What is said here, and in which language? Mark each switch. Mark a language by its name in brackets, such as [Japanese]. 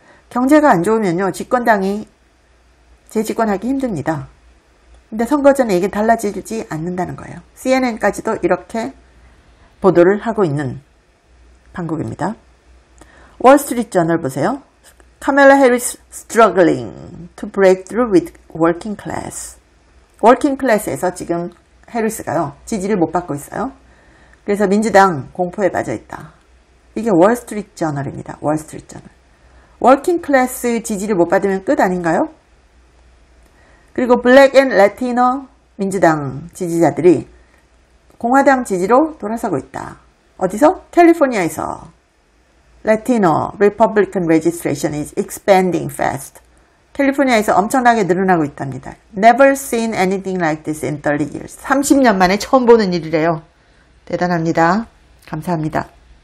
[Korean] 경제가 안 좋으면요, 집권당이 재집권하기 힘듭니다. 근데 선거 전에 이게 달라지지 않는다는 거예요. CNN까지도 이렇게 보도를 하고 있는 방법입니다. 월스트리트 저널 보세요. [English] 카멜라 해리스 struggling to break through with working class. [Korean] 워킹 클래스에서 지금 해리스가요. 지지를 못 받고 있어요. 그래서 민주당 공포에 빠져 있다. 이게 월스트리트 저널입니다. 월스트리트 저널. 워킹 클래스 지지를 못 받으면 끝 아닌가요? 그리고 블랙 앤 라티노 민주당 지지자들이 공화당 지지로 돌아서고 있다. 어디서? 캘리포니아에서. [English] Latino Republican registration is expanding fast. [Korean] 캘리포니아에서 엄청나게 늘어나고 있답니다. [English] Never seen anything like this in 30 years. [Korean] 30년 만에 처음 보는 일이래요. 대단합니다. 감사합니다.